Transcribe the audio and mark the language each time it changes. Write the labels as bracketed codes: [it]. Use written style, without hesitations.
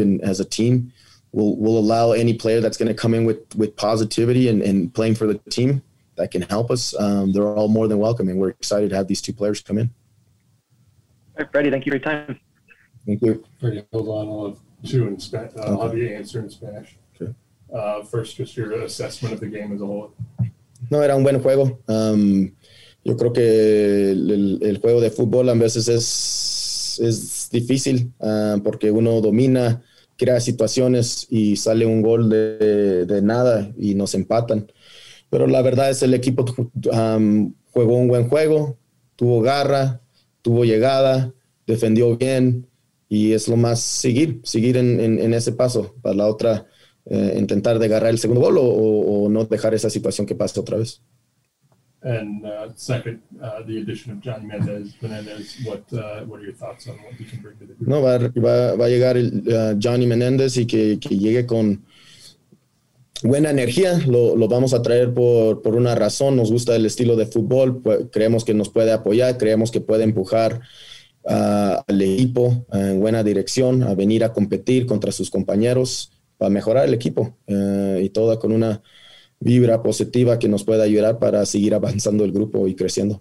[en] And as a team, we'll allow any player that's going to come in with positivity and playing for the team that can help us. They're all more than welcome, and we're excited to have these two players come in. All right, Freddie, thank you for your time. Thank you. Freddie, hold on. I'll have you answer in Spanish. Okay. First, just your assessment of the game as a whole. [es] No, era un buen juego. Yo creo que el juego de fútbol a veces es difícil, porque uno domina, crea situaciones y sale un gol de nada y nos empatan. Pero la verdad es el equipo jugó un buen juego, tuvo garra, tuvo llegada, defendió bien y es lo más seguir en ese paso para la otra, intentar de agarrar el segundo gol o no dejar esa situación que pase otra vez. [en] And second, the addition of Johnny Menendez. What are your thoughts on what he can bring to the group? [es] No, va a llegar Johnny Menendez y que llegue con buena energía. Lo vamos a traer por una razón. Nos gusta el estilo de fútbol. Creemos que nos puede apoyar. Creemos que puede empujar al equipo en buena dirección, a venir a competir contra sus compañeros para mejorar el equipo, y toda con una vibra positiva que nos pueda ayudar para seguir avanzando el grupo y creciendo.